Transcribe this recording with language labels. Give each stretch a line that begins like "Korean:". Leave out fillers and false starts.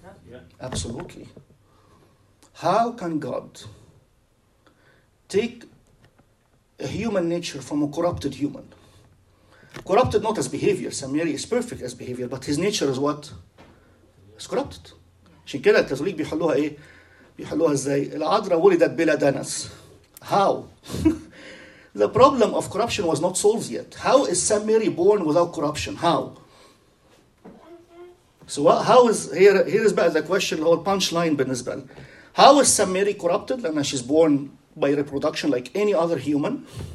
English: Yeah. Absolutely. How can God take a human nature from a corrupted human? Corrupted not as behavior. Saint Mary is perfect as behavior, but his nature is what? It's corrupted.
Arabic: عشان كده الكاثوليك بيحلوها ايه؟ بيحلوها ازاي؟ العذراء ولدت بلا دنس.
English: How? The problem of corruption was not solved yet. How is Saint Mary born without corruption? How? So how is here is the question, the whole punchline
Arabic: بالنسبال.
English: How is Saint Mary corrupted? And she's born by reproduction like any other human.